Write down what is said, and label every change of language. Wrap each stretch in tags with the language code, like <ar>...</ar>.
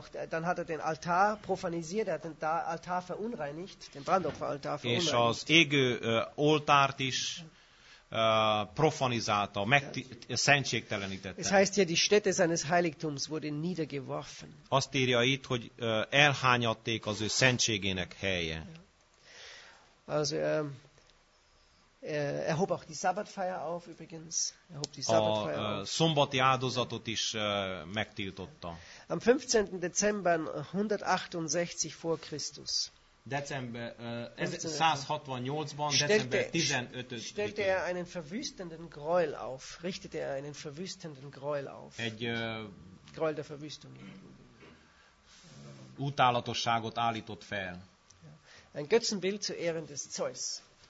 <de>Dann hat den Altar profanisiert, hat den Altar verunreinigt, den Brandopferaltár verunreinigt.</de> <hu>És az égő oltárt is profanizálta, szentségtelenítette.</hu> <de>Es heißt hier, die Stätte seines Heiligtums wurde niedergeworfen.</de> <hu>Azt írja itt, hogy elhányadték az ő szentségének helye.</hu> <de>Also er hob auch die Sabbatfeier auf übrigens. Er hob die Sabbatfeier auf.</de> <hu>Szombati áldozatot is megtiltotta.</hu> <de>Am 15. Dezember 168 vor Christus.</de> <hu>December 168-ban December 15.</hu> <de>Stellte er einen verwüstenden Gräuel auf, richtete er einen verwüstenden Gräuel auf.</de> <hu>Egy</hu> <de>Gräuel der Verwüstung.</de> <hu>Utálatosságot állított fel.</hu> <de>Ein Götzenbild zu Ehren des Zeus.</de>